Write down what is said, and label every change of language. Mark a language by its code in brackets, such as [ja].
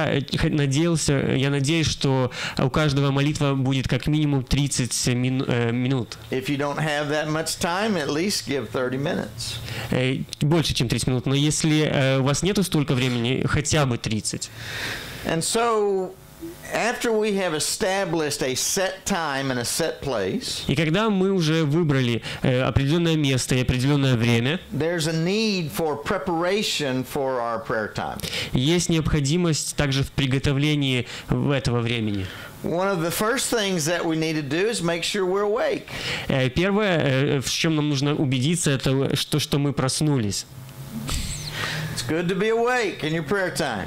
[ru] Я надеюсь, что у каждого молитва будет как минимум 30 минут. [en] If you don't have that much time, at least give 30 minutes. [ru] Больше чем 30 минут, но если у вас нету столько времени, хотя бы 30. [en] And so after we have established a set time and a set place, [ru] и когда мы уже выбрали определенное место и определенное время, [en] there's a need for preparation for our prayer time. [ru] Есть необходимость также в приготовлении этого времени. [en] One of the first things that we need to do is make sure we're awake. [ru] Первое, в чем нам нужно убедиться, это что мы проснулись. [en] It's good to be awake in your prayer time.